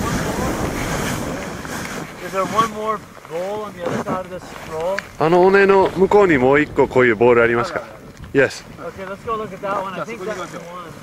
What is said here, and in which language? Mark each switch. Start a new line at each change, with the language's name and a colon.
English: Is there one more bowl on the other side of this roll?
Japanese: あの尾根の向こうにもう一個こういうボールありますか?
English: Yes. Okay, let's go look at that one. I think that's the one.